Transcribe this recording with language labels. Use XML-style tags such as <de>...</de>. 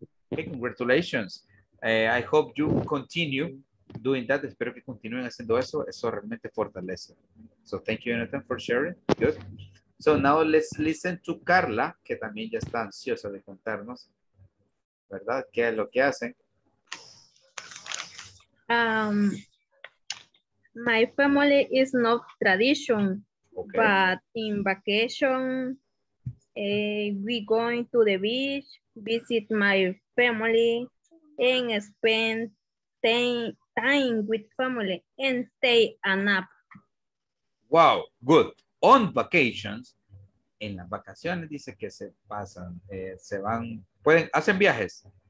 <en>Okay, congratulations. I hope you continue doing that.</en> <es>Espero que continúen haciendo eso. Eso realmente fortalece.</es> <en>So thank you, Jonathan, for sharing. Good. So now let's listen to</en> <es>Carla, que también ya está ansiosa de contarnos, ¿verdad? ¿Qué es lo que hacen?</es> <en>My family is not tradition, okay. But in vacation, We going to the beach, visit my family, and spend time with family and stay a nap. Wow, good. On vacations,</en> <es>en las vacaciones dice que se pasan, se van, pueden, hacen viajes.</es>